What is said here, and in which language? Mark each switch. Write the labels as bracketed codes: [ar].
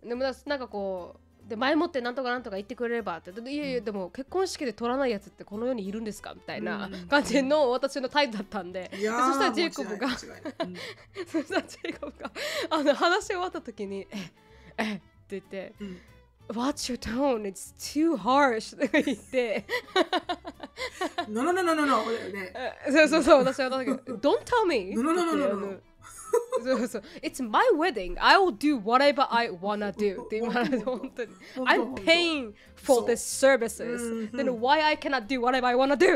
[ja] でもだなんかこうで前もってなんとかなんとか言ってくれればって、いやいや、うん、でも結婚式で撮らないやつってこの世にいるんですかみたいな感じの私の態度だったん で、うん、でそしたらジェイコブが、うん、そしたらジェイコブがあの話終わった時にええって言って、うん、 [en] What's your tone? It's too harsh [ja] って言って [en] No. [ja] そうそうそう、私は [en] Don't tell me! No. [ja] そうそう、 [en] It's my wedding. I will do whatever I wanna do. [ja] って言われて、本当に。 [en] I'm paying for the services. Then why I cannot do whatever I wanna do?